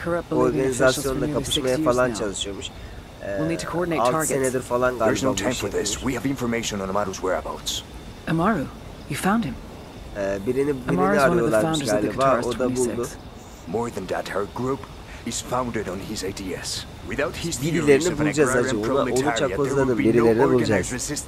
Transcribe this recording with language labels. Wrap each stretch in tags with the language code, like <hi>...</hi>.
<tr>Bu organizasyonla kapışmaya falan çalışıyormuş.</tr> <en>We'll need to coordinate targets.</en> <tr>6 senedir falan galiba.</tr> <en>There's no time for this. We have information on Amaru's whereabouts. Amaru, you found him.</en> <tr>Birini arıyorlarmış galiba. O da buldu.</tr> <en>More than that, her group is founded on his ideas. Without his</en> <tr>birilerini bulacağız acı. Onu çakozladım. Birilerini bulacağız.</tr>